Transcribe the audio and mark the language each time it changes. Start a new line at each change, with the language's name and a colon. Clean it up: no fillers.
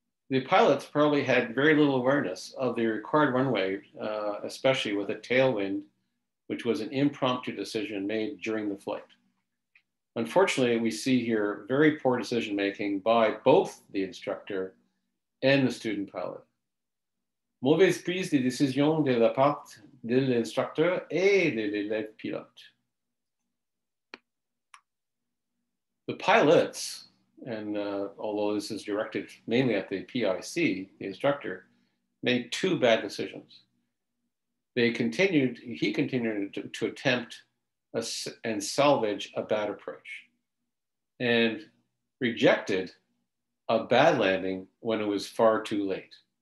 English: The pilots probably had very little awareness of the required runway, especially with a tailwind, which was an impromptu decision made during the flight. Unfortunately, we see here very poor decision-making by both the instructor and the student pilot.
French: Mauvaise prise de décision de la part de l'instructeur et de l'élève pilote.
English: The pilots, and although this is directed mainly at the PIC, the instructor, made two bad decisions. He continued to attempt and salvage a bad approach and rejected a bad landing when it was far too late.